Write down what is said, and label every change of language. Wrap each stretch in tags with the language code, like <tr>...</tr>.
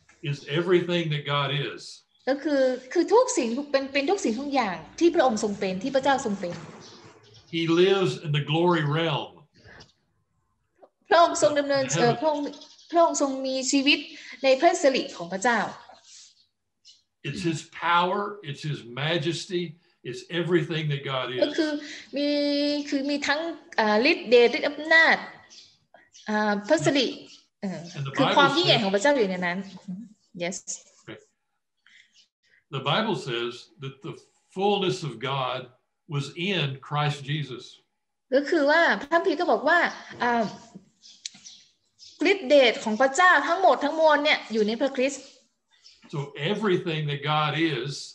<en>is everything that God is</en> <th>ก็คือทุกสิ่งเป็นทุกสิ่งทุกอย่างที่พระองค์ทรงเป็นที่พระเจ้าทรงเป็น</th> <en>He lives in the glory realm</en> <th>พระองค์ทรงดำเนินพระองค์ทรงมีชีวิตในพระสิริของพระเจ้า</th> <en>It's His power. It's His majesty. It's everything that God is.</en> <th>คือมีทั้งฤทธิ์เดชฤทธิ์อำนาจพระสิริคือความยิ่งใหญ่ของพระเจ้าอยู่ในนั้น</th> <en>Yes. The Bible says that the fullness of God was in Christ Jesus.</en> <th>ก็คือว่าพระคัมภีร์ก็บอกว่าฤทธิ์เดชของพระเจ้าทั้งหมดทั้งมวลเนี่ยอยู่ในพระคริสต์</th> <en>So everything that God is,</en>